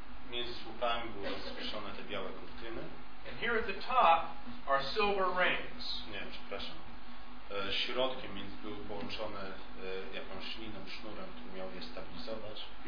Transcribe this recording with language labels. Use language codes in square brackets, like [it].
[pl] Między słupami były zawieszone te białe kurtyny. [en] And here at the top are silver rings. [pl] Nie, przepraszam. Środkiem więc były połączone jakąś liną, sznurem, który miał je stabilizować.